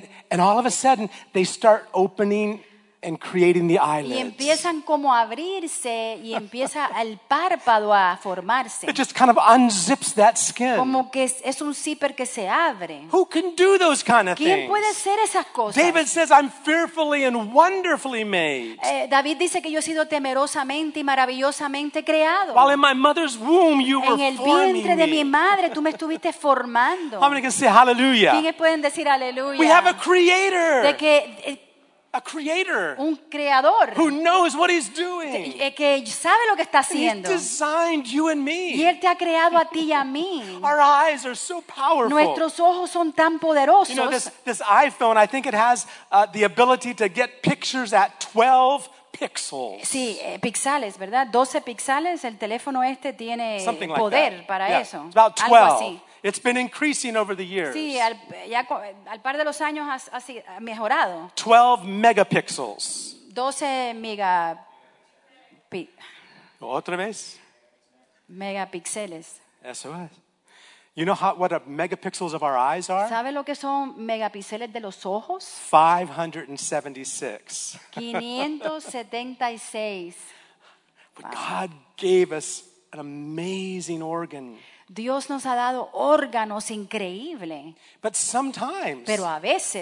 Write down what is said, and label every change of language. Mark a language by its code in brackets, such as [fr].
[en] And all of a sudden, they start opening and creating the eyelids. [es] Y empiezan como a abrirse y empieza el párpado a formarse. [en] It just kind of unzips that skin. [es] Como que es un zipper que se abre. [en] Who can do those kind of [es] ¿Quién [en] things? [es] Puede hacer esas cosas? [en] David says, I'm fearfully and wonderfully made. [es] David dice que yo he sido temerosamente y maravillosamente creado. [en] While in my mother's womb you were forming me. [es] En el vientre de mi madre tú me estuviste formando. [en] How many can say hallelujah? [es] ¿Quiénes pueden decir aleluya? [en] We have a creator. [es] De que [en] a creator, [es] un creador, [en] who knows what he's doing, [es] que sabe lo que está haciendo. [en] He's designed you and me. [es] Y él te ha creado a ti y a mí. [en] Our eyes are so powerful. [es] Nuestros ojos son tan poderosos. [en] You know this iPhone. I think it has the ability to get pictures at 12 pixels. [es] Sí, píxeles, ¿verdad? 12 píxeles. El teléfono este tiene [en] like [es] poder [en] that. [es] Para [en] yeah. [es] eso. [en] It's about 12. It's been increasing over the years. [es] Sí, al par de los años ha mejorado. [en] 12 megapixels. 12 megapixels. [es] ¿Otra vez? Megapíxeles. Eso es. [en] You know what the megapixels of our eyes are? [es] ¿Sabe lo que son megapíxeles de los ojos? [en] 576. [es] 576. [en] But God gave us an amazing organ. [es] Dios nos ha dado órganos increíbles. Pero a veces